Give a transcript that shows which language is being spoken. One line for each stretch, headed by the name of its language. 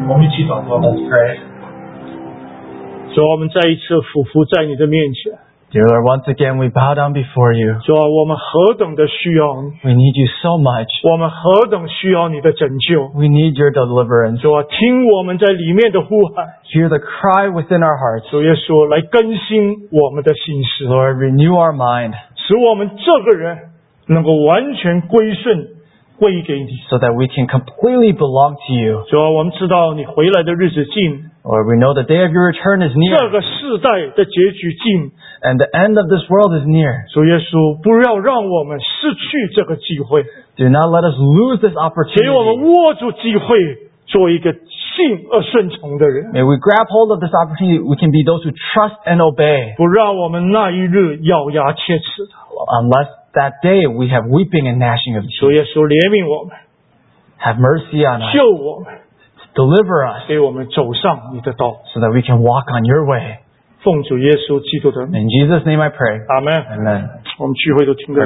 Chinese: 主啊，我们再一次俯伏在你的面前。
English: Dear Lord, once again we bow down before you.
Chinese: 主啊，我们何等的需要你。
English: We need you so much.
Chinese: 我们何等需要你的拯救。
English: We need your deliverance.
Chinese: 主啊，听我们在里面的呼喊。
English: Hear the cry within our hearts.
Chinese: 主耶稣，来更新我们的心思。
English: Lord, renew our mind.
Chinese: 使我们这个人能够完全归顺归给你。
English: So that we can completely belong to you.
Chinese: 主啊，我们知道你回来的日子近。
English: Lord, we know the day of your return is near.
Chinese: 这个世代的结局近。
English: And the end of this world is near.
Chinese: 主耶稣，不要让我们失去这个机会。
English: Do not let us lose this opportunity.
Chinese: 给我们握住机会，做一个信而顺从的人。
English: May we grab hold of this opportunity. We can be those who trust and obey.
Chinese: 不让我们那一日咬牙切齿。
English: Unless that day we have weeping and gnashing of teeth.
Chinese: 主耶稣，怜悯我们。
English: Have mercy on us.
Chinese: 救我们。
English: Deliver us.
Chinese: 给我们走上你的道。
English: So that we can walk on your way.
Chinese: 奉主耶稣基督的。
English: In Jesus' name I pray. Amen. Amen.
Chinese: 我们聚会都听得到。